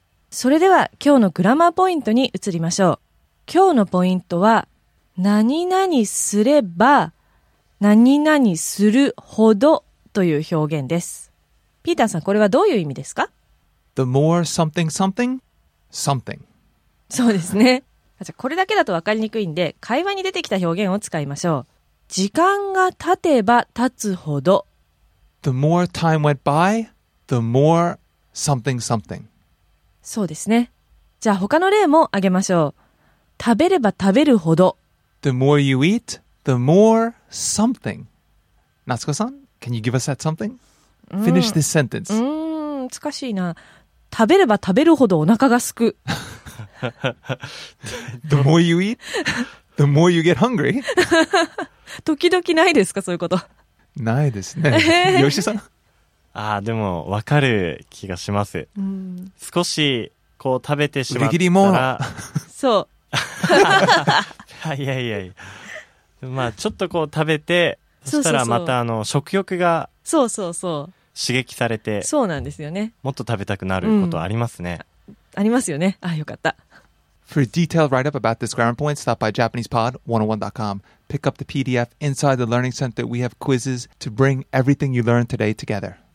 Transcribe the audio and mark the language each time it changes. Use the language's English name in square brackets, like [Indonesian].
[Japanese] それでは今日のグラマーポイントに移りましょう。今日のポイントは、何々すれば、何々するほどという表現です。ピーターさん、これはどういう意味ですか？ [English] The more something something, something. [Japanese] そうですね。じゃあこれだけだと分かりにくいんで、会話に出てきた表現を使いましょう。時間が経てば経つほど。 [English] The more time went by, the more something something. [Japanese] そうですね。じゃあ他の例も挙げましょう。食べれば食べるほど。 [English] The more you eat, the more something. Natsuko-san, can you give us that something? Finish this sentence. [Japanese] 難しいな。食べれば食べるほどお腹が空く。 [English] The more you eat, the more you get hungry. [Japanese] 時々ないですか、そういうこと。ないですね。吉田さん。ああ、でも分かる気がします。少しこう食べてしまったら、売り切りも。そう。いやまあちょっとこう食べて、そしたらまたあの食欲が、そう刺激されて、そうなんですよね。もっと食べたくなることありますね。ありますよね。ああ、よかった。 [English] For a detailed write-up about this grammar point, stop by JapanesePod101.com. Pick up the PDF inside the Learning Center. We have quizzes to bring everything you learned today together.